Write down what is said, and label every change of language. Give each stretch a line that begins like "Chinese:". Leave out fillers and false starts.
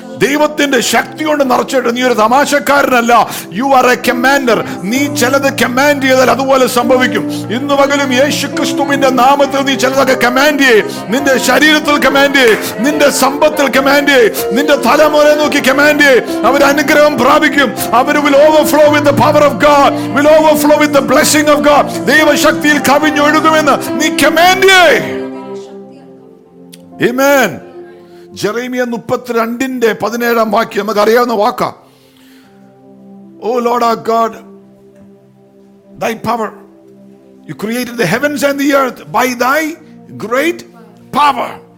Malayalam: ദൈവത്തിന്റെ ശക്തി കൊണ്ട് നിറച്ചിട്ട് നീ ഒരു തമാശക്കാരനല്ല,
English: You are a commander.
Malayalam: നീ ചിലത് കമാൻഡ് ചെയ്താൽ അതുപോലെ സംഭവിക്കും. ഇന്ന് പകലും യേശു ക്രിസ്തുവിന്റെ നാമത്തിൽ നീ ചിലതൊക്കെ കമാൻഡ് ചെയ്യേ. നിന്റെ ശരീരത്തിൽ കമാൻഡ് ചെയ്യേ, നിന്റെ സമ്പത്തിൽ കമാൻഡ് ചെയ്യേ, നിന്റെ തലമുറ നോക്കി കമാൻഡ് ചെയ്യേ. അവർ അനുഗ്രഹം പ്രാപിക്കും. അവർ
English: will overflow with the power of God, will overflow with the blessing of God.
Malayalam: ദൈവശക്തിയിൽ കവിഞ്ഞൊഴുകുമെന്ന് നീ കമാൻഡ് ചെയ്യേ. ആമേൻ. ജെറേമിയ 32:17 വാക്യം നമുക്ക് അറിയാവുന്ന വാക്ക.
English: O lord of God, thy power, you created the heavens and the earth by thy great power.